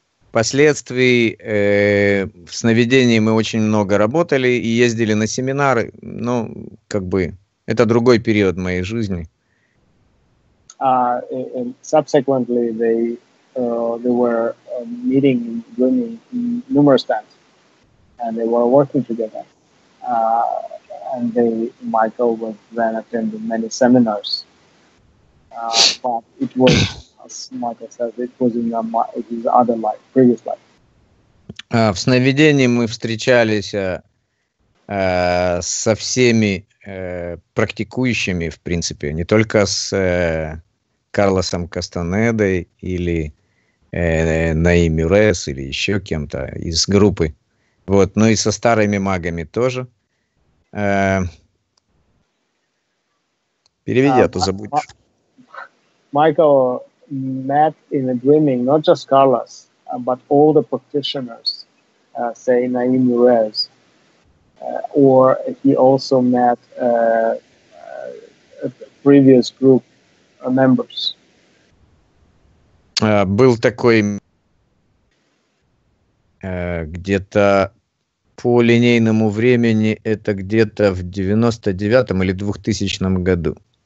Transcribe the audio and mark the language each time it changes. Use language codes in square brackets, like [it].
[ru] Впоследствии в сновидении мы очень много работали и ездили на семинары, но как бы это другой период моей жизни. [en] Subsequently, they were meeting in dreaming numerous times, and they were working together. And Michael was then attending many seminars, but it was, as Michael says, it was in his other life, previous life. [ru] В сновидении мы встречались со всеми практикующими, в принципе, не только с Карлосом Кастанедой или Наими Рес или еще кем-то из группы, вот, но и со старыми магами тоже. Переведи, а то забудешь. [en] Michael met in a dreaming not just Carlos, but all the practitioners, say Naim Urez, or he also met previous group members. [ru] Был такой где-то по линейному времени это где-то в 99-м или 2000-м году.